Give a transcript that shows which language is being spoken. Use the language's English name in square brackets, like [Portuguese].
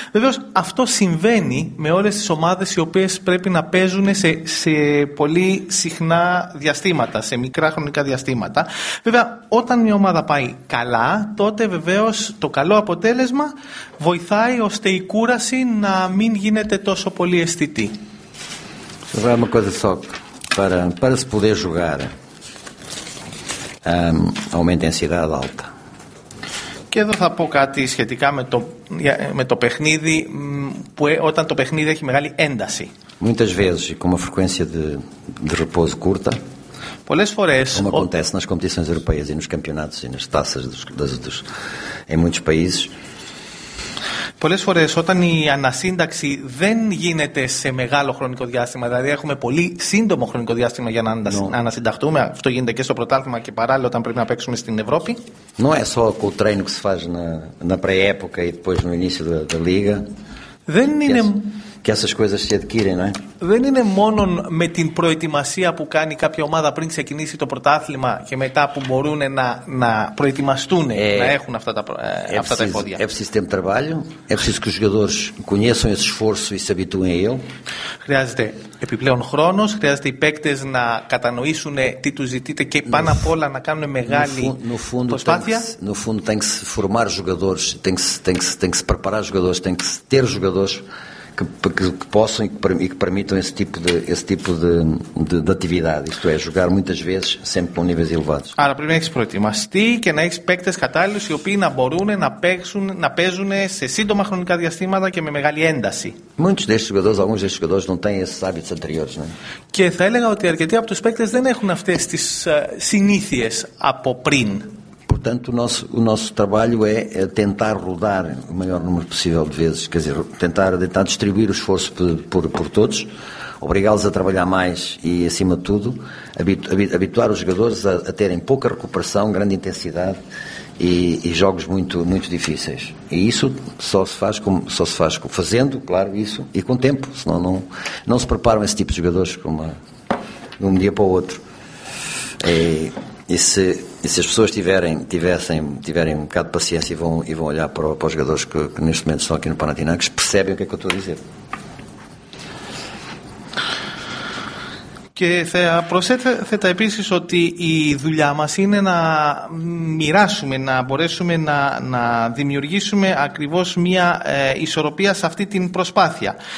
[Greek] Βεβαίως αυτό συμβαίνει με όλες τις ομάδες οι οποίες πρέπει να παίζουν σε πολύ συχνά διαστήματα, σε μικρά χρονικά διαστήματα. Βέβαια όταν μια ομάδα πάει καλά, τότε βεβαίως το καλό αποτέλεσμα βοηθάει ώστε η κούραση να μην γίνεται τόσο πολύ αισθητή. [Portuguese] Agora uma coisa só para se poder jogar aumenta a ansiedade alta. [Greek] Και εδώ θα πω κάτι σχετικά με το παιχνίδι που όταν το παιχνίδι έχει μεγάλη ένταση. [Portuguese] Muitas vezes com uma frequência de repouso curta. [Greek] Πολλές φορές, [Portuguese] como acontece nas competições europeias e nos campeonatos e nas taças dos em muitos países. [Greek] Πολλές φορές όταν η ανασύνταξη δεν γίνεται σε μεγάλο χρονικό διάστημα, δηλαδή έχουμε πολύ σύντομο χρονικό διάστημα για να ανασυνταχτούμε, αυτό γίνεται και στο πρωτάθλημα και παράλληλα όταν πρέπει να παίξουμε στην Ευρώπη. [Portuguese] Não é só com o treino que se faz na pré-época e depois no início da liga. [Greek] Δεν είναι. [Portuguese] Και essas coisas se adquirem, não é? [Greek] Δεν είναι μόνο με την προετοιμασία που κάνει κάποια ομάδα πριν ξεκινήσει το πρωτάθλημα και μετά που μπορούν να προετοιμαστούν, να έχουν αυτά τα εμπόδια. [Portuguese] É preciso tempo de trabalho, é preciso que os jogadores conheçam esse esforço e se habituem a ele. [Greek] Χρειάζεται επιπλέον χρόνο, χρειάζεται οι παίκτες να κατανοήσουν τι του ζητείτε και πάνω απ' όλα να κάνουν μεγάλη προσπάθεια. [Portuguese] No fundo, tem que se formar jogadores, tem que se preparar jogadores, tem que se ter jogadores. Que possam e que permitam esse tipo de atividade, isto é, jogar muitas vezes sempre com níveis elevados. [Greek] Άρα πρέπει να έχεις προετοιμαστεί και να έχεις παίκτες κατάλληλους οι οποίοι να μπορούν να παίζουν σε σύντομα χρονικά διαστήματα και με μεγάλη ένταση. [Portuguese] Muitos destes jogadores, alguns destes jogadores não têm esses hábitos anteriores, né? [Greek] Και θα έλεγα ότι αρκετοί από τους παίκτες δεν έχουν αυτές τις συνήθειες από πριν. [Portuguese] Portanto, o nosso trabalho é tentar rodar o maior número possível de vezes, quer dizer, tentar distribuir o esforço por todos, obrigá-los a trabalhar mais e, acima de tudo, habituar os jogadores a terem pouca recuperação, grande intensidade e jogos muito, muito difíceis. E isso só se faz fazendo, claro, isso, e com tempo, senão não se preparam esse tipo de jogadores de um dia para o outro. E se as pessoas tiverem um bocado de paciência e vão olhar para os jogadores que neste momento estão aqui no Panathinaikos, percebem o que é que eu estou a dizer. [Greek] Και θα προσθέτω επίσης ότι η δουλειά μας είναι να μοιράσουμε, να μπορέσουμε να δημιουργήσουμε ακριβώς μια ισορροπία σε αυτή την προσπάθεια.